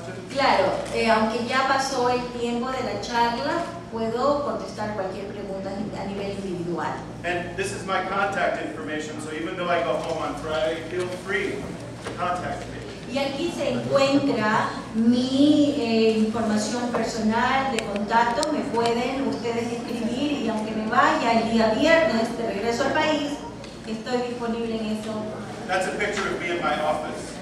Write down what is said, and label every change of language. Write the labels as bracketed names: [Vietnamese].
[Spanish] Claro, aunque ya pasó el tiempo de la charla, puedo contestar cualquier pregunta a nivel individual. [English] And this is my contact information, so even though I go home on Friday, feel free to contact me. [Spanish] Y aquí se encuentra mi información personal de contacto. Me pueden ustedes escribir y aunque me vaya el día viernes de regreso al país, estoy disponible en eso. [English] That's a picture of me in my office.